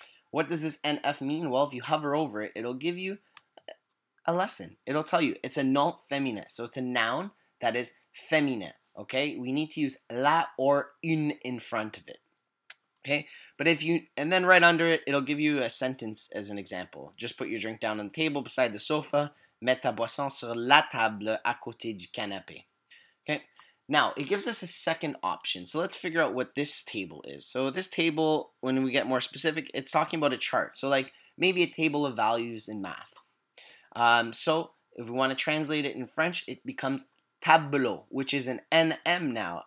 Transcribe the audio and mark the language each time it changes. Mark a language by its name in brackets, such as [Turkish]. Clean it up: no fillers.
[English] What does this NF mean? Well, if you hover over it, it'll give you a lesson. It'll tell you it's a nom féminin. So it's a noun that is féminin. Okay? We need to use la or une in front of it. Okay? But if you, and then right under it, it'll give you a sentence as an example. Just put your drink down on the table beside the sofa. [French] Mets ta boisson sur la table à côté du canapé. [English] Okay. Now, it gives us a second option. So let's figure out what this table is. So this table, when we get more specific, it's talking about a chart. So like maybe a table of values in math. So if we want to translate it in French, it becomes tableau, which is an NM now.